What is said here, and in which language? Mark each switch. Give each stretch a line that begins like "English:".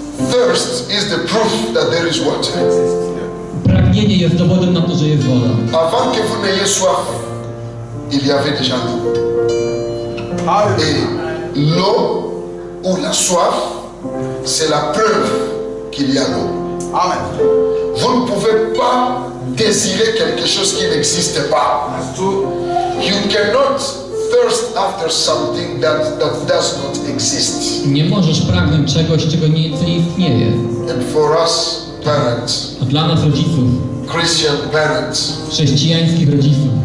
English: Thirst is the proof that there is water.
Polish: Pragnienie jest dowodem na to, że jest woda.
French: Avant que vous n'ayez soif, il y avait déjà l'eau. Et l'eau ou la soif, c'est la preuve qu'il y a l'eau. Amen. Vous ne pouvez pas désirer quelque chose qui n'existe pas.
English: You cannot thirst after something that does not exist.
Polish: Nie możesz pragnąć czegoś, czego nie istnieje.
English: And for us parents,
Polish: a dla nas rodziców,
English: Christian parents,
Polish: chrześcijańskich rodziców,